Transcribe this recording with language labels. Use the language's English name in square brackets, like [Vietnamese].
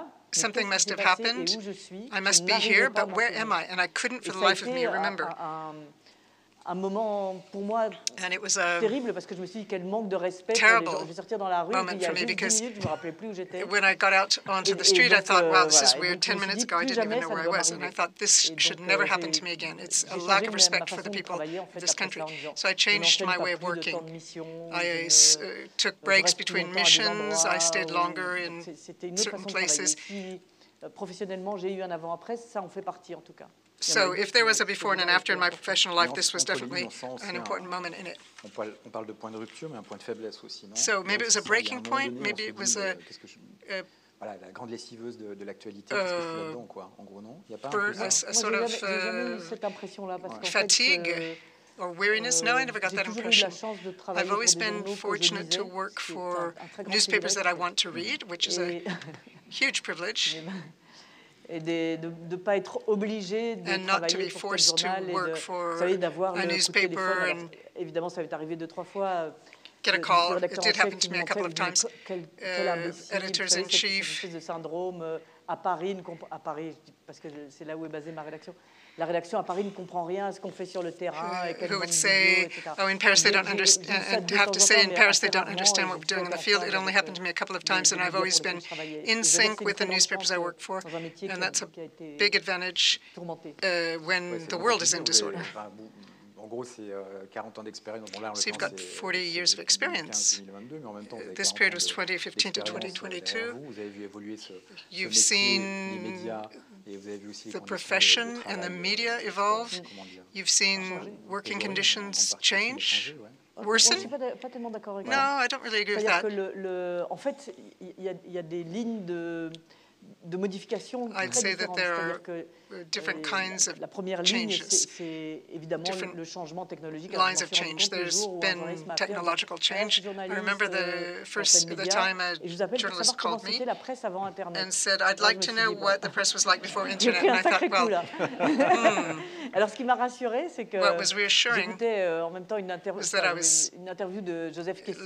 [English] Something must have happened. I must be here, but where am I? And I couldn't for the life of me remember. [French] Un moment pour moi terrible parce que je me suis dit quel manque de respect. Terrible. Je vais sortir dans la rue et il y a 10 minutes, je me rappelais plus où j'étais. [English] When I got out onto the street, I thought, wow, this is weird. 10 minutes ago, I didn't even know where I was, and I thought this should never happen to me again. It's a lack of respect for the people of this country. So I changed my way of working. I took breaks between missions. I stayed longer in certain places. [French] Professionnellement, j'ai eu un avant-après. Ça en fait partie, en tout cas. [English] So if there was a before and an after in my professional life, this was definitely an important moment in it. [French] On parle de point de rupture, mais un point de faiblesse aussi, non? [English] So maybe it was a breaking point, maybe it was a... [French] Voilà, la grande lessiveuse de l'actualité, qu'est-ce que je fais là-dedans, quoi? En gros, non? Il n'y a pas un peu ça? Moi, j'ai jamais eu cette impression-là, parce qu'en fait... [English] Fatigue or weariness? No, I never got that impression. I've always been fortunate to work for newspapers that I want to read, which is a huge privilege. [French] Et de pas être obligé de travailler pour tel journal et de, vous savez, d'avoir le téléphone. Alors, évidemment, ça m'est arrivé deux, trois fois. [English] Get a call. It did happen to me a couple of times. Editors in chief. [French] Une espèce de syndrome à Paris, à Paris, parce que c'est là où est basée ma rédaction. La rédaction à Paris ne comprend rien à ce qu'on fait sur le terrain. [English] Who would say, oh, in Paris, they don't understand. Have to say, in Paris, they don't understand what we're doing in the field. It only happened to me a couple of times, and I've always been in sync with the newspapers I work for, and that's a big advantage when the world is in disorder. [French] En gros, c'est 40 ans d'expérience. Bon, là, [English] so you've got 40 years of experience. This period was 2015 to 2022. [French] Vous avez vu évoluer ce [English] you've seen [French] les médias. [English] the profession and the media evolve. You've seen working conditions change, worsen. No, I don't really agree with that. [French] En fait, il y a des lignes de modifications [English] I'd say that there are different kinds of changes, different lines of change. There's been technological change. I remember the first the time a journalist called me and said, I'd like to know what the press was like before Internet. And I thought, well, [French] Alors, ce qui m'a rassuré, c'est que j'écoutais en même temps une interview de Joseph Kessel.